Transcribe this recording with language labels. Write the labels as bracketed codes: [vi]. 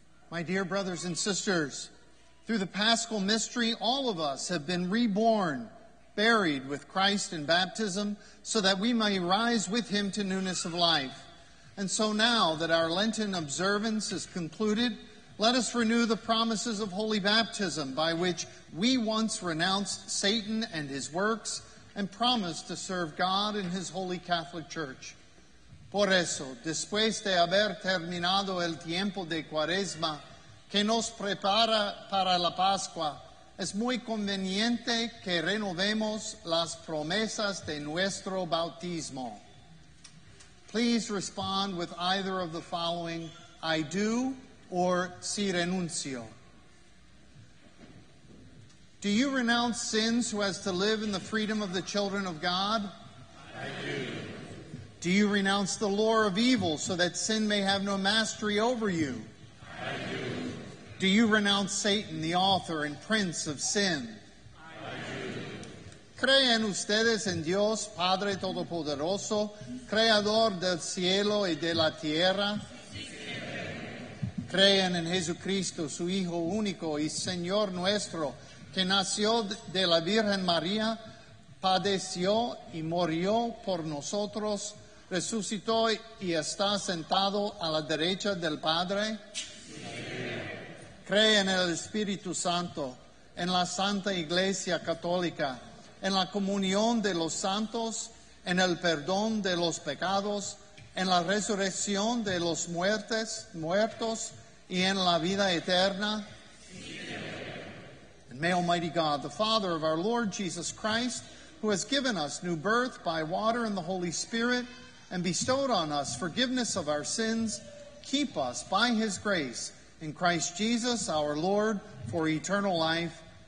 [en] My dear brothers and sisters, through the Paschal mystery, all of us have been reborn, buried with Christ in baptism, so that we may rise with him to newness of life. And so now that our Lenten observance is concluded, let us renew the promises of holy baptism by which we once renounced Satan and his works and promised to serve God in his holy Catholic Church. [es] Por eso, después de haber terminado el tiempo de Cuaresma que nos prepara para la Pascua, es muy conveniente que renovemos las promesas de nuestro bautismo. [en] Please respond with either of the following, I do or [es] si renuncio. [en] Do you renounce sin so as to live in the freedom of the children of God? I do. Do you renounce the lure of evil so that sin may have no mastery over you? I do. Do you renounce Satan, the author and prince of sin? [es] ¿Creen ustedes en Dios, Padre Todopoderoso, Creador del cielo y de la tierra? ¿Creen en Jesucristo, su Hijo único y Señor nuestro, que nació de la Virgen María, padeció y murió por nosotros, resucitó y está sentado a la derecha del Padre? ¿Creen en el Espíritu Santo, en la Santa Iglesia Católica, en la comunión de los santos, en el perdón de los pecados, en la resurrección de los muertos, y en la vida eterna? [en] Amen. And may Almighty God, the Father of our Lord Jesus Christ, who has given us new birth by water and the Holy Spirit, and bestowed on us forgiveness of our sins, keep us by his grace in Christ Jesus our Lord for eternal life.